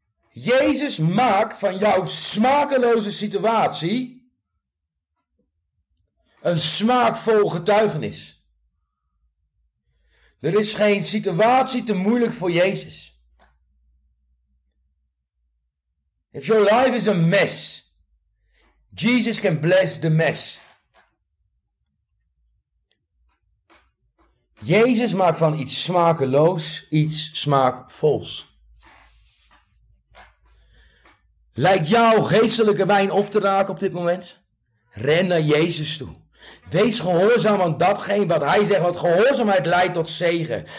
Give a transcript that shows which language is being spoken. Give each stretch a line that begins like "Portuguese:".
Dutch: Jezus maakt van jouw smakeloze situatie een smaakvol getuigenis. Er is geen situatie te moeilijk voor Jezus.
English: If your life is a mess, Jesus can bless the mess.
Dutch: Jezus maakt van iets smakeloos iets smaakvols. Lijkt jouw geestelijke wijn op te raken op dit moment? Ren naar Jezus toe. Wees gehoorzaam aan datgene wat hij zegt. Want gehoorzaamheid leidt tot zegen.